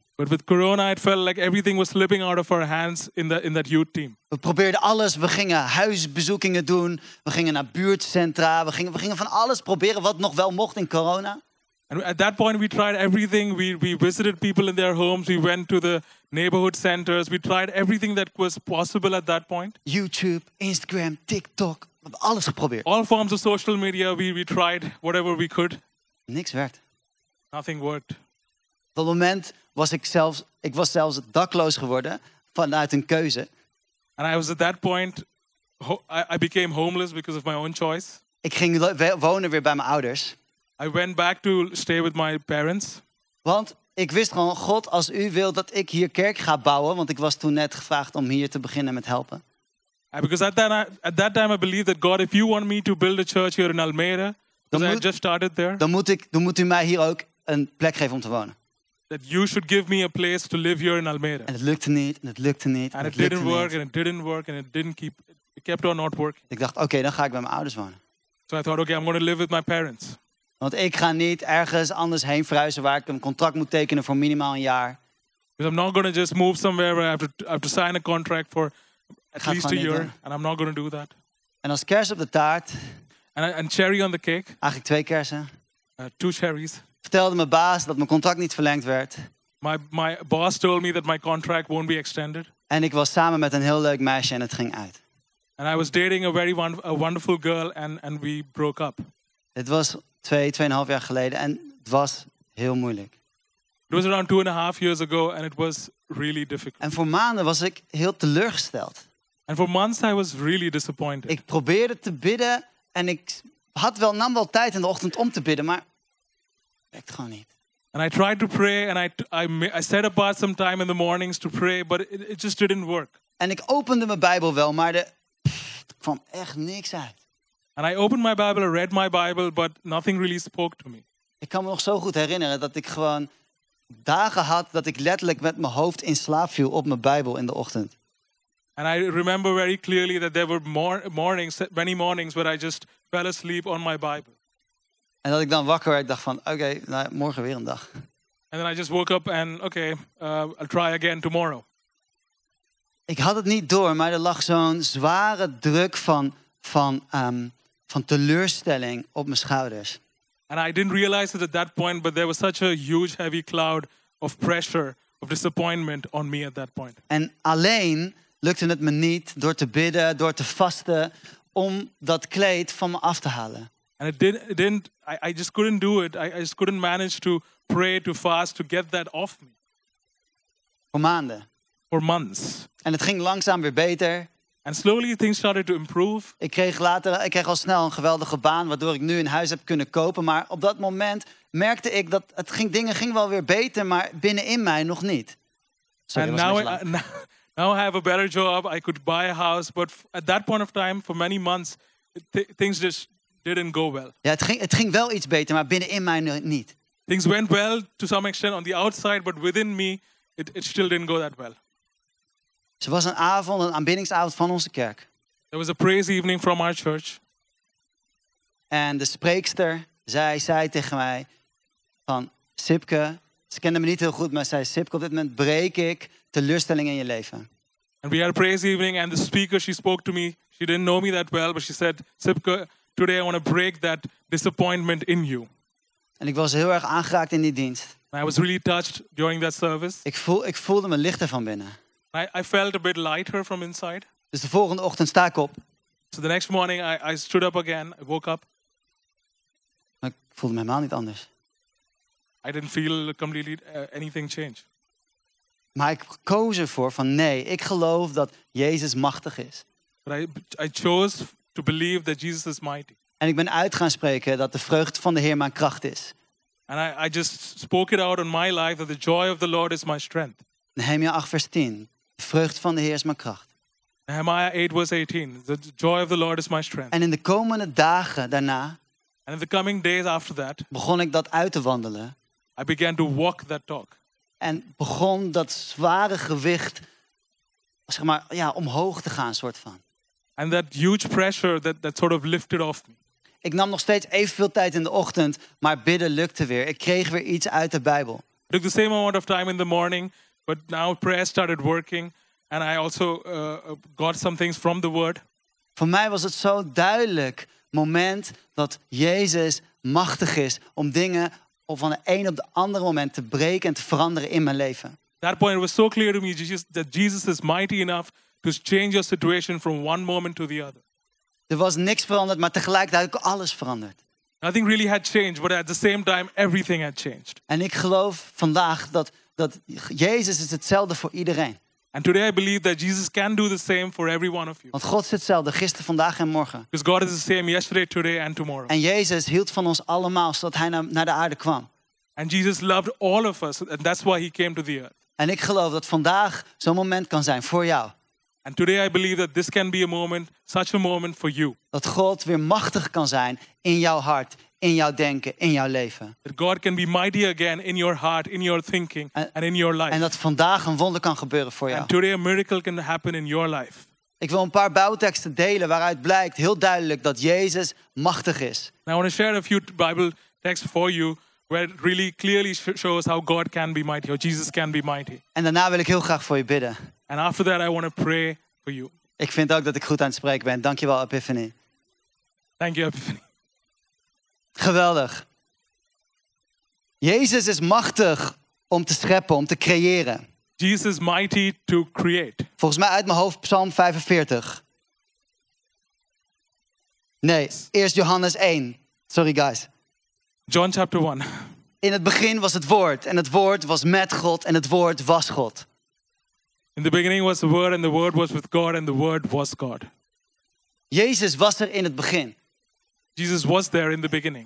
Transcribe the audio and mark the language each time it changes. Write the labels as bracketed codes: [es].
[en] But with corona it felt like everything was slipping out of our hands in that youth team. [nl] We probeerden alles, we gingen huisbezoekingen doen, we gingen naar buurtcentra, we gingen van alles proberen wat nog wel mocht in corona. [en] And at that point we tried everything, we visited people in their homes, we went to the neighborhood centers, we tried everything that was possible at that point. [nl] YouTube, Instagram, TikTok, we hebben alles geprobeerd. [en] All forms of social media, we tried whatever we could. [nl] Niks werkt. [en] Nothing worked. [nl] Op dat moment was ik was zelfs dakloos geworden vanuit een keuze. [en] And I was at that point, I became homeless because of my own choice. [nl] Ik ging wonen weer bij mijn ouders. [en] I went back to stay with my parents. [nl] Want ik wist gewoon, God, als u wil dat ik hier kerk ga bouwen, want ik was toen net gevraagd om hier te beginnen met helpen. [en] Because at that time I believed that God, if you want me to build a church here in Almere, because I had just started there. [nl] Dan moet u mij hier ook een plek geven om te wonen. [en] That you should give me a place to live here in Almere. [nl] En het lukte niet, en het lukte niet. [en] And it didn't work, and it didn't work, and it didn't keep, it kept on not working. [nl] Ik dacht, oké, dan ga ik bij mijn ouders wonen. [en] So I thought, okay, I'm going to live with my parents. [nl] Want ik ga niet ergens anders heen verhuizen waar ik een contract moet tekenen voor minimaal een jaar. [en] Because I'm not going to just move somewhere where I have to sign a contract for at least a year. And I'm not going to do that. [nl] En als kers op de taart. [en] And cherry on the cake. [nl] Eigenlijk 2 kersen. [en] 2 cherries. [nl] Vertelde mijn baas dat mijn contract niet verlengd werd. [en] My boss told me that my contract won't be extended. [nl] En ik was samen met een heel leuk meisje en het ging uit. [en] And I was dating a very wonderful girl and we broke up. [nl] Het was 2,5 jaar geleden en het was heel moeilijk. [en] It was around 2.5 years ago and it was really difficult. [nl] En voor maanden was ik heel teleurgesteld. [en] And for months I was really disappointed. [nl] Ik probeerde te bidden en ik nam wel tijd in de ochtend om te bidden, maar werkt gewoon niet. [en] And I tried to pray and I set apart some time in the mornings to pray, but it just didn't work. [nl] En ik opende mijn Bijbel wel, maar er kwam echt niks uit. [en] And I opened my Bible, I read my Bible, but nothing really spoke to me. [nl] Ik kan me nog zo goed herinneren dat ik gewoon dagen had dat ik letterlijk met mijn hoofd in slaap viel op mijn Bijbel in de ochtend. [en] And I remember very clearly that there were many mornings where I just fell asleep on my Bible. [nl] En dat ik dan wakker werd, dacht van, oké, morgen weer een dag. [en] And then I just woke up and, okay, I'll try again tomorrow. [nl] Ik had het niet door, maar er lag zo'n zware druk van teleurstelling op mijn schouders. [en] And I didn't realize it at that point, but there was such a huge heavy cloud of pressure, of disappointment on me at that point. [nl] En alleen lukte het me niet door te bidden, door te vasten, om dat kleed van me af te halen. [en] And I just couldn't do it. I just couldn't manage to pray, to fast, to get that off me. [nl] Voor maanden. [en] For months. [nl] En het ging langzaam weer beter. [en] And slowly things started to improve. [nl] Ik kreeg al snel een geweldige baan, waardoor ik nu een huis heb kunnen kopen. Maar op dat moment merkte ik dat dingen ging wel weer beter, maar binnenin mij nog niet. [en] Sorry, and now I have a better job. I could buy a house. But at that point of time, for many months, things just didn't go well. [nl] Ja, het ging wel iets beter, maar binnenin mij niet. [en] Things went well to some extent on the outside, but within me, it still didn't go that well. [nl] Het was een avond, een aanbiddingsavond van onze kerk. [en] There was a praise evening from our church. [nl] En de spreekster, zei tegen mij van Sipke, ze kende me niet heel goed, maar zei Sipke, op dit moment breek ik teleurstelling in je leven. [en] And we had a praise evening and the speaker, she spoke to me, she didn't know me that well, but she said, Sipke, today I want to break that disappointment in you. [nl] En ik was heel erg aangeraakt in die dienst. [en] And I was really touched during that service. [nl] Ik voelde me lichter van binnen. [en] I felt a bit lighter from inside. [nl] Dus de volgende ochtend sta ik op. [en] So the next morning I stood up again. I woke up. [nl] Maar ik voelde me helemaal niet anders. [en] I didn't feel completely anything change. [nl] Maar ik koos ervoor van nee, ik geloof dat Jezus machtig is. [en] But I chose to believe that Jesus is mighty. [nl] En ik ben uit gaan spreken dat de vreugde van de Heer mijn kracht is. [en] And I just spoke it out on my life that the joy of the Lord is my strength. [nl] Nehemia 8 vers 10. De vreugde van de Heer is mijn kracht. Nehemia 8 vers 18. [en] The joy of the Lord is my strength. [nl] En in de komende dagen daarna. [en] And in the coming days after that. [nl] Begon ik dat uit te wandelen. [en] I began to walk that talk. [nl] En begon dat zware gewicht, zeg maar, ja, omhoog te gaan, soort van. [en] And that huge pressure that sort of lifted off me. [nl] Ik nam nog steeds evenveel tijd in de ochtend, maar bidden lukte weer. Ik kreeg weer iets uit de Bijbel. [en] I took the same amount of time in the morning, but now prayer started working, and I also got some things from the Word. [nl] Voor mij was het zo duidelijk moment dat Jezus machtig is om dingen of van de een op de andere moment te breken en te veranderen in mijn leven. [en] That point was so clear to me, Jesus, that Jesus is mighty enough to change your situation from one moment to the other. [nl] Er was niks veranderd, maar tegelijkertijd had ik alles veranderd. [en] Nothing really had changed, but at the same time everything had changed. [nl] En ik geloof vandaag dat Jezus is hetzelfde voor iedereen. [en] And today I believe that Jesus can do the same for every one of you. [nl] Want God is hetzelfde gisteren, vandaag en morgen. [en] Because God is the same yesterday, today and tomorrow. [nl] En Jezus hield van ons allemaal zodat hij naar de aarde kwam. [en] And Jesus loved all of us and that's why he came to the earth. [nl] En ik geloof dat vandaag zo'n moment kan zijn voor jou. [en] And today I believe that this can be a moment, such a moment for you. [nl] Dat God weer machtig kan zijn in jouw hart, in jouw denken, in jouw leven. [en] That God can be mighty again in your heart, in your thinking, and in your life. [nl] En dat vandaag een wonder kan gebeuren voor jou. [en] And today a miracle can happen in your life. [nl] Ik wil een paar Bijbelteksten delen waaruit blijkt heel duidelijk dat Jezus machtig is. [en] Now I want to share a few Bible texts for you where it really clearly shows how God can be mighty, how Jesus can be mighty. [nl] En daarna wil ik heel graag voor je bidden. [en] And after that, I want to pray for you. [nl] Ik vind ook dat ik goed aan het spreken ben. Dankjewel, Epiphany. [en] Thank you, Epiphany. [nl] Geweldig. Jezus is machtig om te scheppen, om te creëren. [en] Jesus is mighty to create. [nl] Volgens mij uit mijn hoofd Psalm 45. Nee, eerst Johannes 1. [en] Sorry, guys. John chapter 1. [nl] In het begin was het woord. En het woord was met God. En het woord was God. [en] In the beginning was the Word, and the Word was with God, and the Word was God. [nl] Jezus was er in het begin. [en] Jesus was there in the beginning.